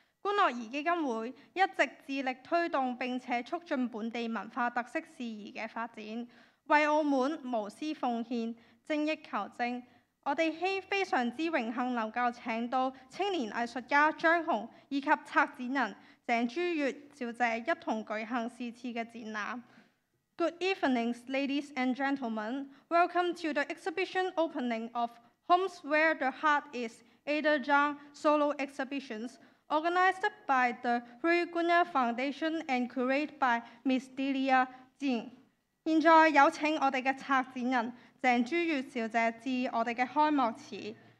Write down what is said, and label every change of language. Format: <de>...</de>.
<zh>觀樂兒基金會一直致力推動並且促進本地文化特色事宜的發展，為澳門無私奉獻，精益求精。我們非常之榮幸能夠請到青年藝術家張紅以及策展人鄭珠月小姐一同舉行是次的展覽。</zh> <en>Good evening, ladies and gentlemen. Welcome to the exhibition opening of Homes Where the Heart Is, Ada Zhang Solo Exhibitions, organized by the Rui Cunha Foundation and curated by Ms. Delia Jing.</en> <zh>現在有請我們的策展人鄭珠月小姐致我們的開幕詞。</zh>